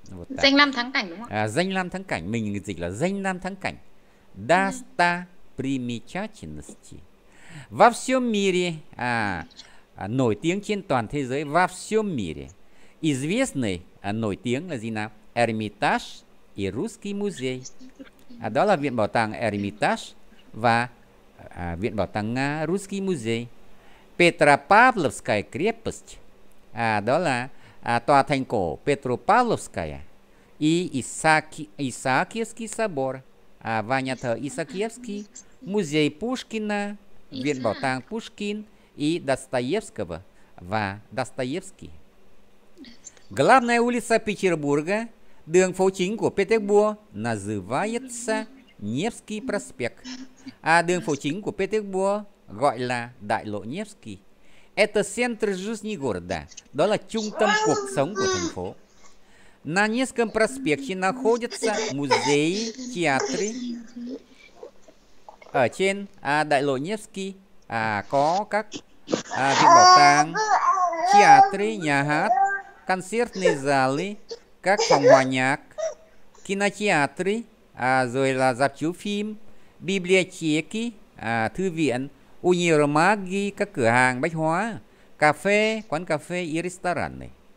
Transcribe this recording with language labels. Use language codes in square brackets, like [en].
[vi] Một danh lam thắng cảnh đúng không? Danh lam thắng cảnh. Mình dịch là danh lam thắng cảnh. [ru] Достопримечательности. Во всем мире. [vi] Nổi tiếng trên toàn thế giới. [ru] Во всем мире. Известный. [vi] Nổi tiếng là gì nào? [ru] Эрмитаж и Русский музей. [vi] Đó là Viện Bảo tàng Эрмитаж và Viện Bảo tàng Nga Русский музей. [ru] Петропавловская крепость. [vi] Đó là tòa thành cổ Петропавловская. [ru] И Исаакиевский собор. [vi] Và nhà thờ Исаакиевский. [ru] Музей Пушкина. [vi] Viện Bảo tàng Пушкин. [ru] И Достоевского. [vi] Và Достоевский. [ru] Главная улица Петербурга. [vi] Đường phố chính của Petersburg [ru] называется Невский проспект. [vi] Đường phố chính của Petersburg gọi là Đại lộ Невский. [ru] Это центр жизни города. [vi] Đó là trung tâm cuộc sống của thành phố. [ru] На Невском проспекте находятся музеи, театры. [vi] Ở trên Đại lộ Невский có các viện bảo tàng, [ru] театры, [vi] nhà hát, [ru] концертные залы, [vi] các phòng hòa nhạc, [ru] кинотеатры, [vi] rồi là dạp chiếu phim, [ru] библиотеки, [vi] thư viện, [ru] универмаги, [vi] các cửa hàng bách hóa, cà phê, quán cà phê, [ru] и рестораны.